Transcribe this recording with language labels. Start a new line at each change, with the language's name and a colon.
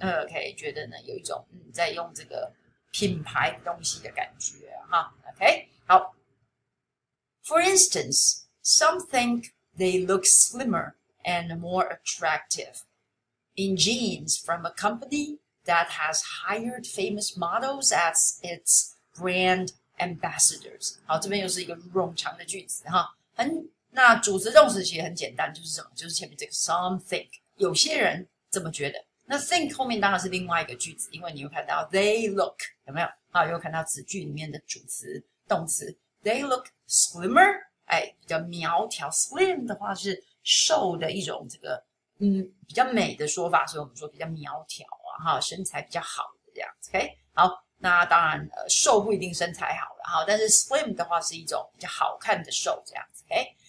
Chinese: OK, 觉得呢有一种在用这个品牌东西的感觉。 OK, 好。
English: For instance, some think they look slimmer and more attractive in jeans from a company that has hired famous models as its brand ambassadors.
Chinese: 好，这边又是一个冗长的句子。很那主词动词其实很简单，就是什么？就是前面这个
English: some think，
Chinese: 有些人这么觉得。那 think 后面当然是另外一个句子，因为你又看到
English: they look
Chinese: 有没有？好，又看到子句里面的主词动词
English: they look slimmer，
Chinese: 哎，比较苗条 ，slim 的话是瘦的一种这个比较美的说法，所以我们说比较苗条啊，哈，身材比较好的这样子。OK， 好，那当然瘦不一定身材好了哈，但是 slim 的话是一种比较好看的瘦这样子。OK。